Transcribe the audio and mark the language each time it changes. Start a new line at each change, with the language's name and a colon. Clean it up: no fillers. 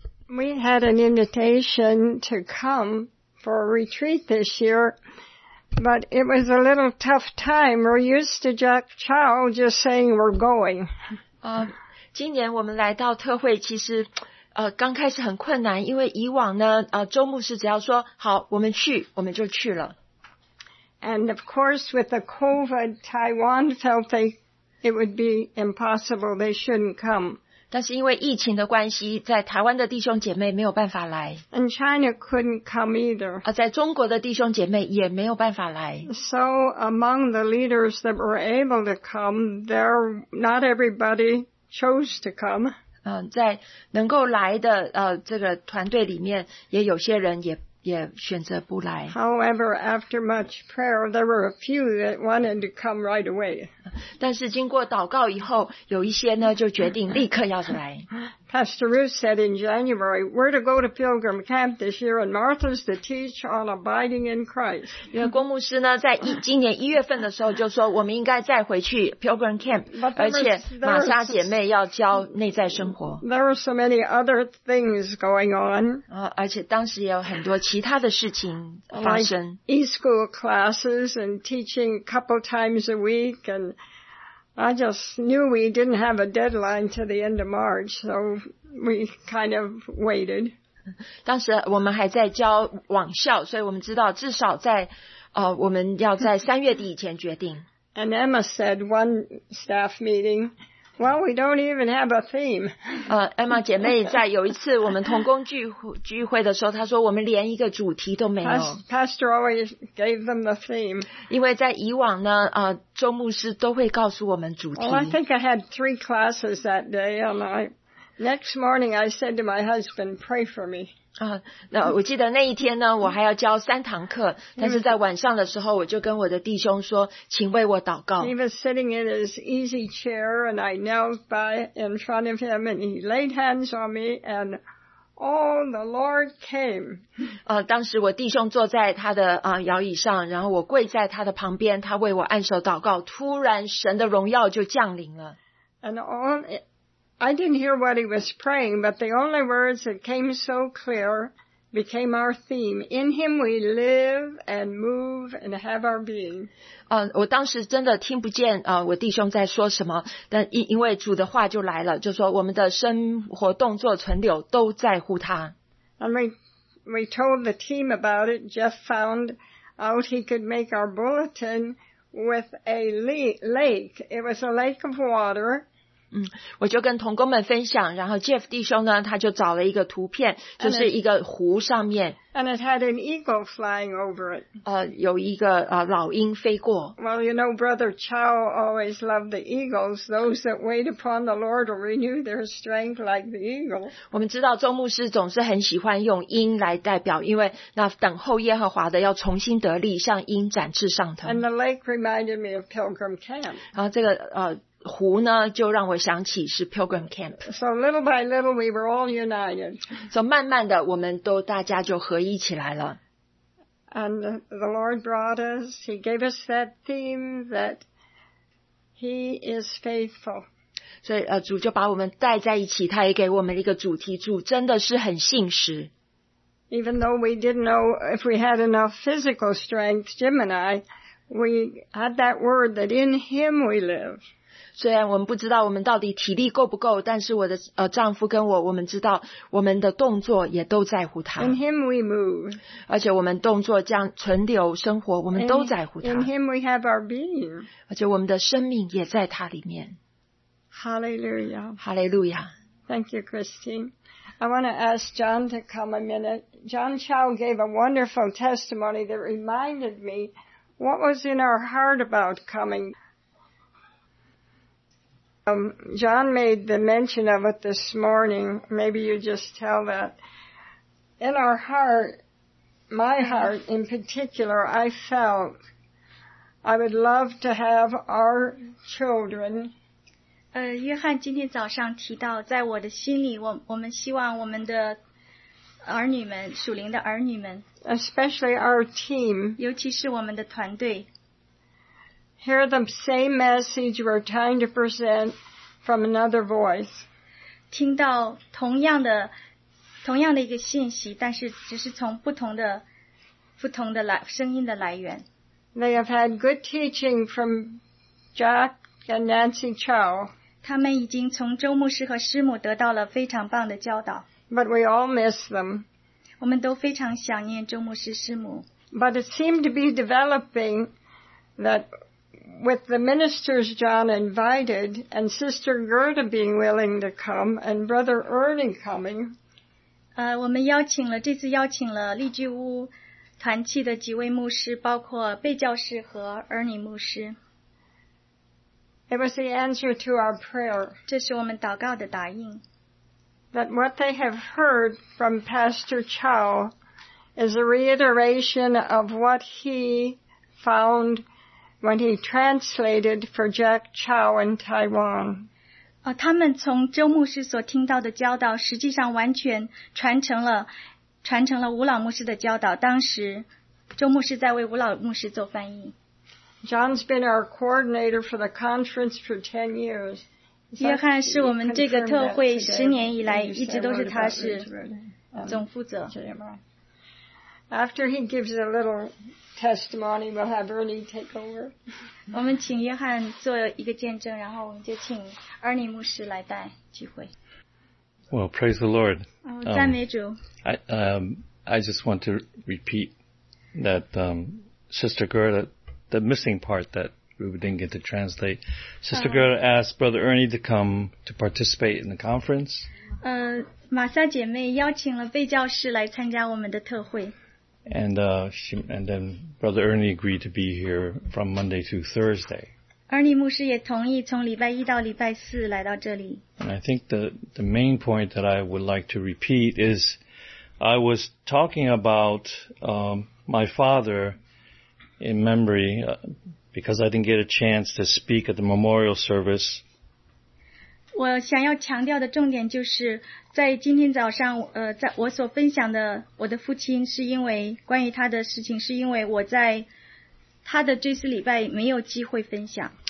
English: We had an invitation to come for a retreat this year, but it was a little tough time. We're used to Jack Chow just saying we're going.
Chinese: 今年我们来到特会其实刚开始很困难，因为以往呢周牧师只要说好我们去我们就去了。
English: And of course with the COVID, Taiwan felt they, it would be impossible, they shouldn't come.
Chinese: 但是因为疫情的关系在台湾的弟兄姐妹没有办法来。
English: And China couldn't come either.
Chinese: 在中国的弟兄姐妹也没有办法来。
English: So among the leaders that were able to come, they're not everybody,chose to come.
Chinese: 在能够来的这个团队里面也有些人也选择不来。
English: However, after much prayer, there were a few that wanted to come right away.
Chinese: 但是经过祷告以后有一些呢就决定立刻要来。
English: Pastor Ruth said in January, we're to go to Pilgrim Camp this year and Martha's to teach on abiding in Christ.
Chinese: 因为郭牧师呢在今年一月份的时候就说我们应该再回去 Pilgrim Camp, 而且玛莎姐妹要教内在生活。
English: There were so many other things going on.
Chinese: 而且当时也有很多其他的事情发生。
English: Like、e-school classes and teaching a couple times a week andI just knew we didn't have a deadline to the end of March, so we kind of waited.
Chinese: 当时我们还在教网校，所以我们知道至少在我们要在三月底以前决定。
English: And Emma said one staff meeting, well, we don't even have a theme.
Chinese: Emma 姐妹在有一次我们同工聚会的时候，她说我们连一个主题都没有。
English: Pastor always gave them the theme.
Chinese: 因为在以往呢，周牧师都会告诉我们主题。
English: Well, I think I had three classes that day, and next morning I said to my husband, pray for me.
Chinese: 那我记得那一天呢，我还要教三堂课，但是在晚上的时候，我就跟我的弟兄说，请为我祷告。
English: He was sitting in his easy chair, and I knelt by in front of him, and he laid hands on me, and all the Lord came.
Chinese: 当时我弟兄坐在他的摇椅上，然后我跪在他的旁边，他为我按手祷告，突然神的荣耀就降临了。
English: And all it,I didn't hear what he was praying, but the only words that came so clear became our theme. In him we live and move and have our being.
Chinese: 我当时真的听不见我弟兄在说什么，但因为主的话就来了，就说我们的生活动作存留都在乎他。
English: And we told the team about it. Jeff found out he could make our bulletin with a lake. It was a lake of water.
Chinese: 我就跟同工们分享，然后 Jeff 弟兄呢，他就找了一个图片，就是一个湖上面。
English: And it had an eagle flying over it.
Chinese: 有一个老鹰飞过。
English: Well, you know, Brother Chow always loved the eagles. Those that wait upon the Lord will renew their strength like the eagle.
Chinese: 我们知道周牧师总是很喜欢用鹰来代表，因为那等候耶和华的要重新得力，像鹰展翅上腾。
English: And the lake reminded me of Pilgrim Camp.
Chinese: 然后这个湖呢就让我想起是 Pilgrim Camp.
English: So little by little we were all united.
Chinese: So 慢慢的我们都大家就合一起来了。
English: And the Lord brought us, he gave us that theme that he is faithful.
Chinese: 所以主就把我们带在一起，他也给我们一个主题，主真的是很信实。
English: Even though we didn't know if we had enough physical strength, Jim and I, we had that word that in him we live.
Chinese: 虽然我们不知道我们到底体力够不够，但是我的丈夫跟我们知道我们的动作也都在乎他。
English: In him we move.
Chinese: 而且我们动作这样存留生活，我们都在乎他。
English: In him we have our being.
Chinese: 而且我们的生命也在他里面。
English: Hallelujah. Hallelujah. Thank you, Christine. I want to ask John to come a minute. John Chow gave a wonderful testimony that reminded me what was in our heart about coming. John made the mention of it this morning. Maybe you just tell that. In our heart, my heart in particular, I felt I would love to have our children.
Chinese: 约翰今天早上提到，在我的心里，我们希望我们的儿女们，属灵的儿女们，
English: especially our team,
Chinese: 尤其是我们的团队。
English: Hear the same message we're trying to present from another voice.
Chinese: 听到同样的同样的一个信息，但是只是从不同的声音的来源。
English: They have had good teaching from Jack and Nancy Chow.
Chinese: 他们已经从周牧师和师母得到了非常棒的教导。
English: But we all miss them.
Chinese: 我们都非常想念周牧师师母。
English: But it seemed to be developing that with the ministers John invited and Sister Gerda being willing to come and Brother Ernie coming.
Chinese: 我们邀请了这次邀请了丽居屋团契的几位牧师，包括贝教士和 Ernie 牧师。
English: It was the answer to our prayer.
Chinese: 这是我们祷告的答应。
English: That what they have heard from Pastor Chow is a reiteration of what he found when he translated for Jack Chow in Taiwan.
Chinese: 他们从周牧师所听到的教导，实际上完全传承了吴老牧师的教导。当时周牧师在为吴老牧师做翻译。
English: John's been our coordinator for the conference for 10 years.
Chinese: 约翰是我们这个特会十年以来一直都是他是总负责。
English: After he gives a little testimony, we'll have Ernie take over.
Chinese: 我们请约翰做一个见证，然后我们就请 Ernie 牧师来带聚会。
English: Well, praise the Lord.
Chinese: 赞美主。
English: I just want to repeat that Sister Gerda, the missing part that we didn't get to translate. Sister Gerda asked Brother Ernie to come to participate in the conference.
Chinese: 玛莎姐妹邀请了贝教士来参加我们的特会。
English: And then Brother Ernie agreed to be here from Monday to Thursday.
Chinese: Ernie 牧师也同意从礼拜一到礼拜四来到这里。
English: And I think the main point that I would like to repeat is I was talking about my father in memory because I didn't get a chance to speak at the memorial service.
Chinese: 我想要强调的重点就是在今天早上在我所分享的我的父亲是因为关于他的事情是因为我在他的这次礼拜没有机会分享。